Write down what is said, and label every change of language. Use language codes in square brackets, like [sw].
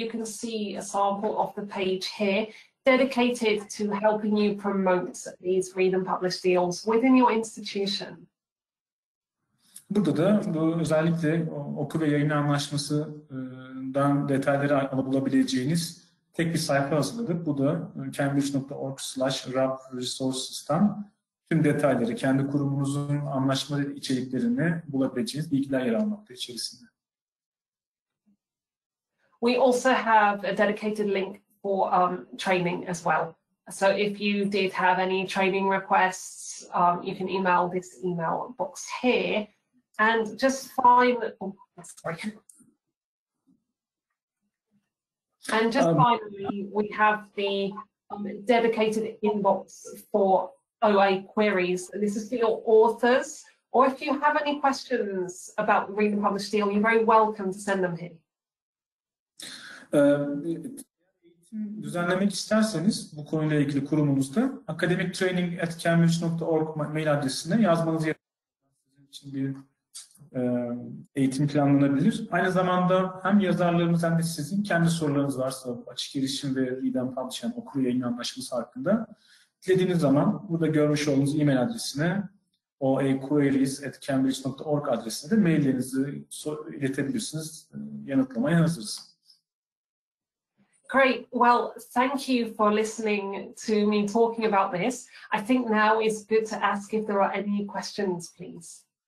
[en] You can see a sample of the page here, dedicated to helping you promote these read and publish deals within your institution. [tr] Burada da bu özellikle oku ve yayın anlaşmasından detayları alabileceğiniz tek bir sayfa hazırladık. Bu da cambridge.org/rapresources'tan tüm detayları, kendi kurumunuzun anlaşma içeriklerini bulabileceğiniz bilgiler yer almakta içerisinde. [en] We also have a dedicated link for training as well. So if you did have any training requests, you can email this email box here. And just finally, we have the dedicated inbox for OA queries. And this is for your authors. Or if you have any questions about the Read and Publish deal, you're very welcome to send them here. [tr] Eğitim düzenlemek isterseniz bu konuyla ilgili kurumunuzda academictraining@cambridge.org mail adresine yazmanız yeterli. Sizin için bir eğitim planlanabilir. Aynı zamanda hem yazarlarımız hem de sizin kendi sorularınız varsa açık erişim ve Read and Publish okur yayın anlaşması hakkında dilediğiniz zaman burada görmüş olduğunuz e-mail adresine oaqueries@cambridge.org adresine de maillerinizi iletebilirsiniz. Yanıtlamaya hazırız. [en] Great. Well, thank you for listening to me talking about this. I think now is good to ask if there are any questions, please.